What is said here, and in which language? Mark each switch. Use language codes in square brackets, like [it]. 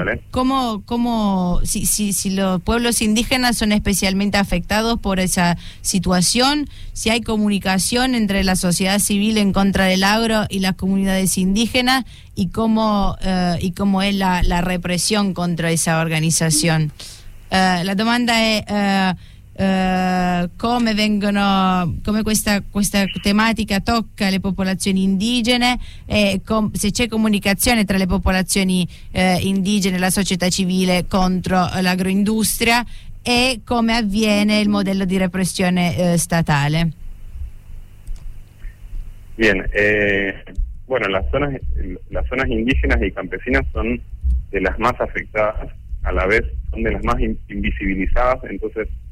[es] ¿Cómo si los pueblos indígenas son especialmente afectados por esa situación? ¿Si hay comunicación entre la sociedad civil en contra del agro y las comunidades indígenas? ¿Y cómo es la represión contra esa organización? La pregunta es... [it] come questa tematica tocca le popolazioni indigene, e se c'è comunicazione tra le popolazioni indigene e la società civile contro l'agroindustria, e come avviene il modello di repressione statale. [es] Bien, las zonas indígenas y campesinas son de las más afectadas, a la vez son de las más invisibilizadas, entonces